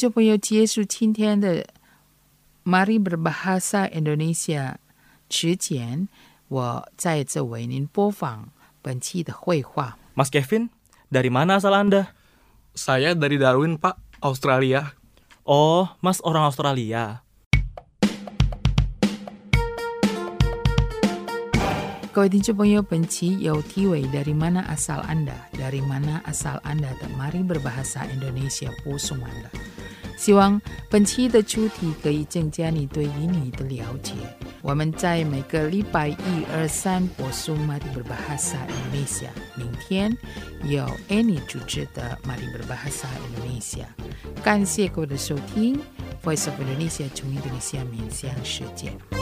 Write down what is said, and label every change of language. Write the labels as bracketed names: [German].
[Chinese] 各位听众朋友，结束今天的 Mari Berbahasa Indonesia 之前，我再次为您播放本期的会话。 [Indonesian] Mas Kevin, dari mana asal Anda? Saya dari Darwin, Pak, Australia. Oh, Mas orang Australia. Dari mana asal Anda? Dari mana asal Anda? Mari berbahasa Indonesia pusung Anda. [Chinese] 希望本期的主题可以增加你对英语的了解. 我们在每个礼拜一二三 播送 Mari Berbahasa Indonesia. 明天有 Annie 主持的 Mari Berbahasa Indonesia. 感谢各位的收听 Voice of Indonesia 从印度尼西亚面向世界.